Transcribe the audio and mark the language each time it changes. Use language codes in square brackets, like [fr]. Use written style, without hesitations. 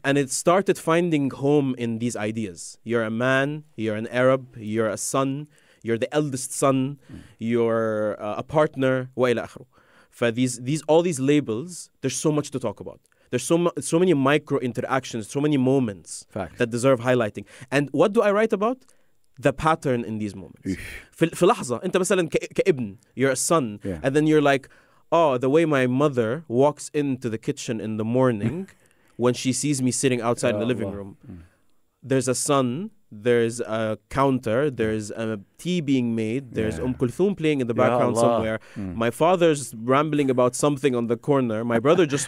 [en] And it started finding home in these ideas. You're a man, you're an Arab, you're a son, you're the eldest son, you're a partner, [ar] wa ila akhru. [en] For these all these labels, there's so much to talk about. There's so many micro interactions, so many moments that deserve highlighting. And what do I write about? The pattern in these moments. [ar] في لحظة, أنت مثلاً كابن, [en] you're a son. Yeah. And then you're like, oh, the way my mother walks into the kitchen in the morning when she sees me sitting outside in the living room. There's a son, there's a counter, there's a tea being made, there's Umm Kulthum playing in the background somewhere, my father's rambling about something on the corner, my brother just...